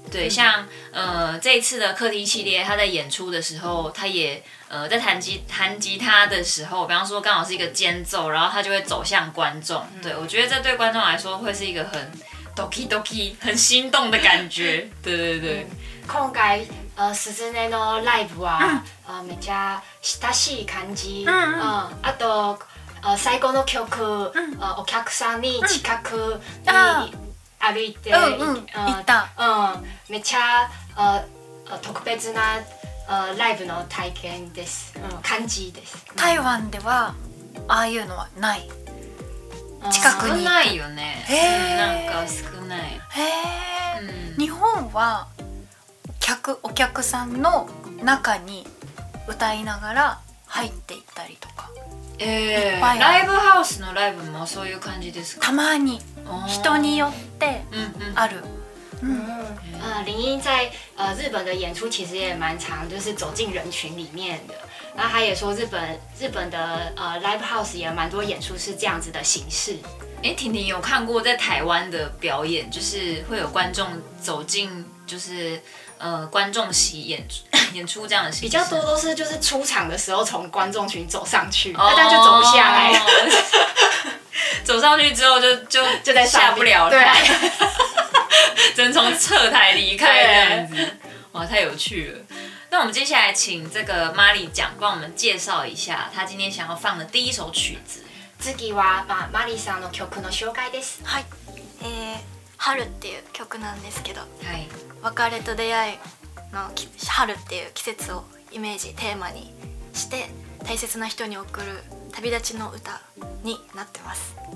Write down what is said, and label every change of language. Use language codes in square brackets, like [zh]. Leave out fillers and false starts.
[zh] 对，像这一次的客厅系列，他在演出的时候，他也在弹吉他的时候，比方说刚好是一个间奏，然后他就会走向观众。对，我觉得这对观众来说会是一个很doki doki 很心动的感觉。对对对。 [ja] 今回すずねのライブはめちゃ親しい感じ。あと最後の曲お客さんに近くに。歩いて行った。めちゃ特別なライブの体験です。感じです。台湾ではああいうのはない。近くに少ないよね。なんか少ない。日本は客お客さんの中に歌いながら入っていったりとか。ライブハウスのライブもそういう感じですか。たまに人によってある。 [zh] 林音在日本的演出其实也蛮长，就是走进人群里面的。那他也说日本的live house 也蛮多演出是这样子的形式。婷婷有看过在台湾的表演，就是会有观众走进，就是观众席演出这样的形式。比较多都是就是出场的时候从观众群走上去，但就走不下来。走上去之后就在下不了台，对，真从侧台离开这样子。哇，太有趣了。那我们接下来请这个玛丽讲，帮我们介绍一下她今天想要放的第一首曲子。 [ja] 次は、玛丽さんの曲の紹介です。はい。春っていう曲なんですけど、はい、別れと出会いの春っていう季節をイメージテーマにして大切な人に送る旅立ちの歌になってます。